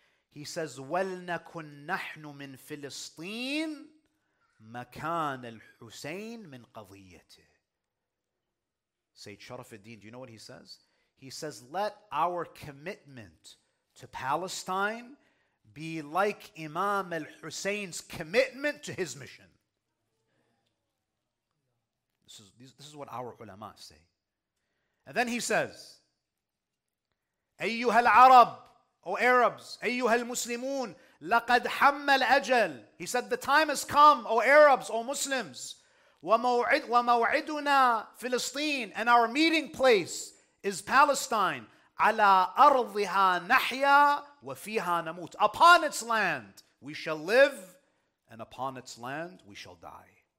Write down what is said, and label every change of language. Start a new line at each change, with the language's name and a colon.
English: He says,
Arabic: وَلْنَكُنْ نَحْنُ مِنْ فِلِسْطِينَ مَكَانَ الْحُسَيْنِ مِنْ قَضِيَّتِهِ
English: Sayyid Sharaf al-Din, do you know what he says? He says, let our commitment to Palestine be like Imam al-Hussein's commitment to his mission. This is what our ulama say. And then he says,
Arabic: أيها العرب,
English: O Arabs,
Arabic: أيها المسلمون, لقد حم الأجل.
English: He said, the time has come, O Arabs, O Muslims.
Arabic: وَمَوْعِدُنَا فِلِسْطِينَ
English: And our meeting place is Palestine.
Arabic: عَلَىٰ أَرْضِهَا نَحْيَا وَفِيهَا نَمُوتَ
English: Upon its land we shall live and upon its land we shall die.